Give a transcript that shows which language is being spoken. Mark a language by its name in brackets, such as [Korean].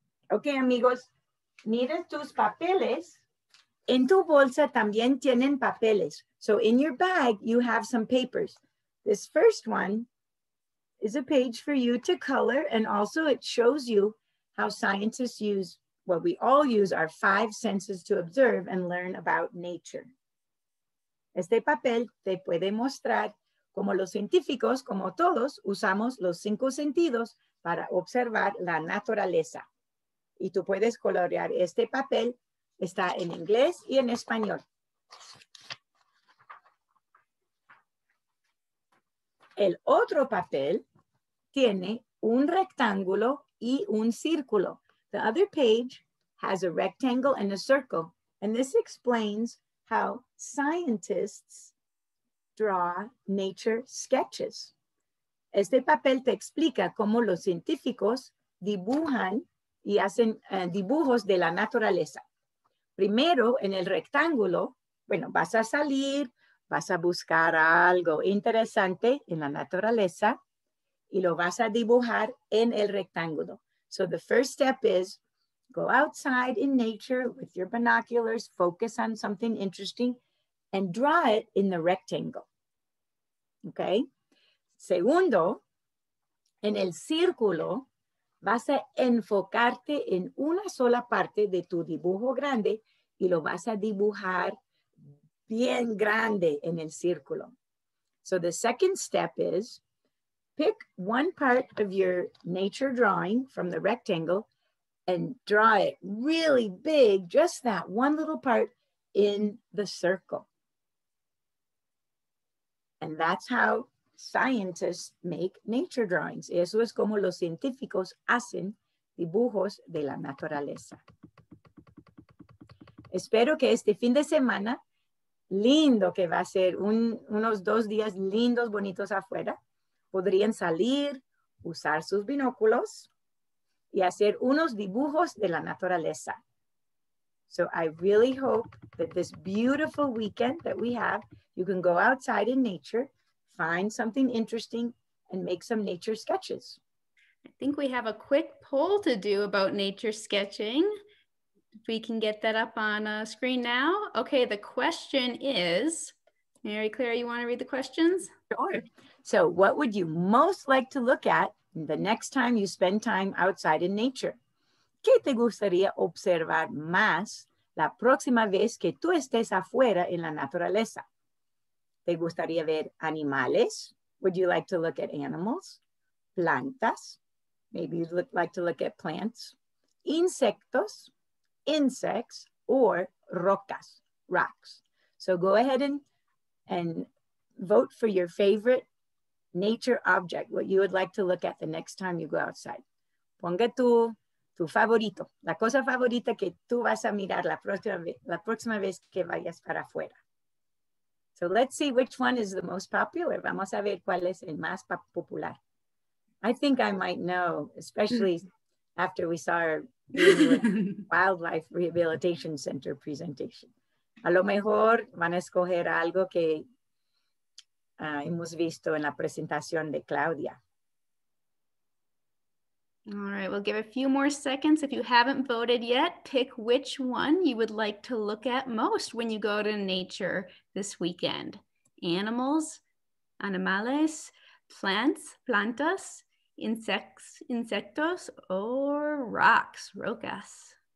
[Spanish] Okay, amigos, mira tus papeles. En tu bolsa también tienen papeles. [English] So in your bag, you have some papers. This first one is a page for you to color. And also it shows you how scientists use, what we all use, our five senses to observe and learn about nature. [Spanish] Este papel te puede mostrar cómo los científicos, como todos, usamos los cinco sentidos para observar la naturaleza. Y tú puedes colorear este papel. Está en inglés y en español. El otro papel tiene un rectángulo y un círculo. [English] The other page has a rectangle and a circle. And this explains how scientists draw nature sketches. [Spanish] Este papel te explica cómo los científicos dibujan y hacen dibujos de la naturaleza. Primero, en el rectángulo, bueno, vas a salir, vas a buscar algo interesante en la naturaleza y lo vas a dibujar en el rectángulo. [English] So the first step is go outside in nature with your binoculars, focus on something interesting, and draw it in the rectangle. Okay? [Spanish] Segundo, en el círculo, vas a enfocarte en una sola parte de tu dibujo grande y lo vas a dibujar bien grande en el círculo. [English] So the second step is, pick one part of your nature drawing from the rectangle and draw it really big, just that one little part in the circle. And that's how scientists make nature drawings. [Spanish] Eso es como los científicos hacen dibujos de la naturaleza. Espero que este fin de semana, lindo que va a ser, unos dos días lindos, bonitos afuera, podrían salir, usar sus binóculos y hacer unos dibujos de la naturaleza. [English] So I really hope that this beautiful weekend that we have, you can go outside in nature, find something interesting, and make some nature sketches. I think we have a quick poll to do about nature sketching. If we can get that up on screen now. Okay, the question is, Mary Claire, you want to read the questions? Sure. So what would you most like to look at the next time you spend time outside in nature? [Spanish] ¿Qué te gustaría observar más la próxima vez que tú estés afuera en la naturaleza? ¿Te gustaría ver animales? [English] Would you like to look at animals? ¿Plantas? Maybe you'd like to look at plants. ¿Insectos? ¿Insects? Or rocas, rocks. So go ahead and vote for your favorite nature object, what you would like to look at the next time you go outside. [Spanish] Ponga tu favorito, la cosa favorita que tú vas a mirar la próxima vez que vayas para afuera. [English] So let's see which one is the most popular. [Spanish] Vamos a ver cuál es el más popular. [English] I think I might know, especially after we saw our Wildlife Rehabilitation Center presentation. [Spanish] A lo mejor van a escoger algo que hemos visto en la presentación de Claudia. [English] All right, we'll give a few more seconds. If you haven't voted yet, pick which one you would like to look at most when you go to nature this weekend. Animals, animales, plants, plantas, insects, insectos, or rocks, rocas.